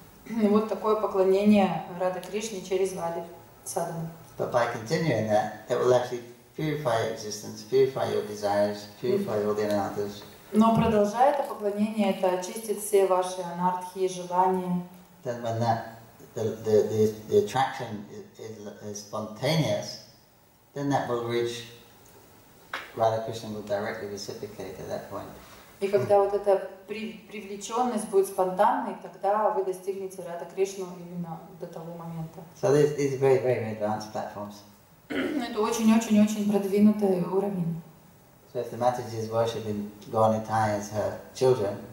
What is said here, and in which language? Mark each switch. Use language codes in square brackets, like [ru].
[ru] И вот такое поклонение Радха Кришне через Вайдхи Садхана. [en] But by continuing that, it will actually purify your existence, purify your desires, purify all the anarthas. [ru] Но продолжая это поклонение, это очистит все ваши анартхи и желания. [en] Then when that the attraction is spontaneous, then that will reach Radha Krishna will directly reciprocate at that point. [ru] И когда вот эта привлеченность будет спонтанной, тогда вы достигнете Радха Кришну именно до того момента. [en] So these are very, very advanced platforms. [ru] Это очень-очень-очень продвинутый уровень. [en] So if the Mataji is worshiping Gorni Thai as her children,